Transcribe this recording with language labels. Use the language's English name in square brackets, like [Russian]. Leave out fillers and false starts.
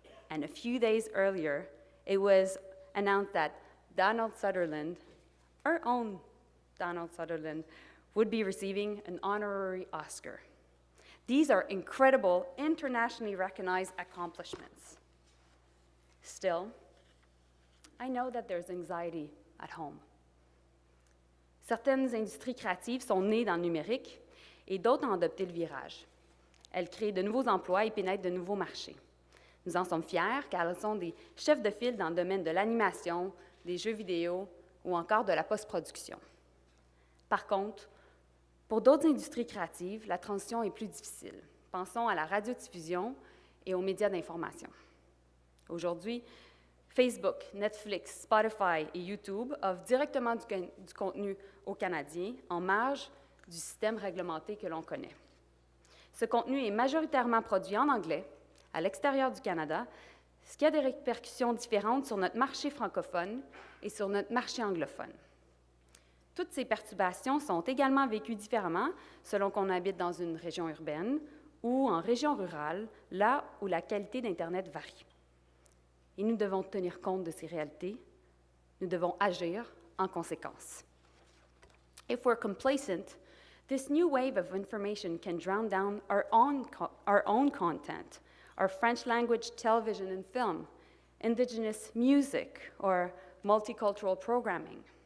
[English] And a few days earlier, it was announced that Donald Sutherland, our own Donald Sutherland, would be receiving an honorary Oscar. These are incredible, internationally recognized accomplishments. Still, I know that there's anxiety at home. [French] Certaines industries créatives sont nées dans le numérique et d'autres ont adopté le virage. Elles créent de nouveaux emplois et pénètrent de nouveaux marchés. Nous en sommes fiers car elles sont des chefs de file dans le domaine de l'animation, des jeux vidéo ou encore de la post-production. Par contre, pour d'autres industries créatives, la transition est plus difficile. Pensons à la radiodiffusion et aux médias d'information. Aujourd'hui, Facebook, Netflix, Spotify et YouTube offrent directement du contenu aux Canadiens en marge du système réglementé que l'on connaît. Ce contenu est majoritairement produit en anglais, à l'extérieur du Canada, ce qui a des répercussions différentes sur notre marché francophone et sur notre marché anglophone. Toutes ces perturbations sont également vécues différemment selon qu'on habite dans une région urbaine ou en région rurale, là où la qualité d'Internet varie. Et nous devons tenir compte de ces réalités. Nous devons agir en conséquence. [English] If we're complacent, this new wave of information can drown down our own content, our French language television and film, indigenous music, or multicultural programming.